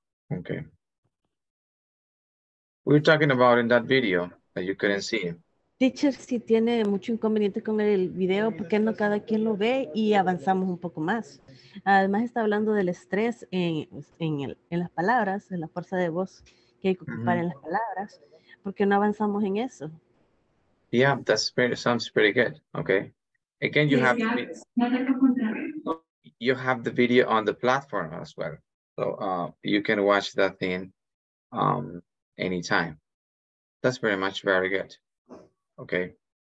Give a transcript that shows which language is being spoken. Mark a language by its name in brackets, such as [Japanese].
[English] Okay. We were talking about in that video that you couldn't see him. [Spanish] Teacher, si tiene mucho inconveniente con el video, ¿por qué no cada quien lo ve y avanzamos un poco más? Además, está hablando del estrés en las palabras, en la fuerza de voz que hay que ocupar en las palabras. ¿Por qué no avanzamos en eso? [English] Yeah, that sounds pretty good. Okay. Again, you have the video on the platform as well. So you can watch that thing anytime. That's very much very good. Okay.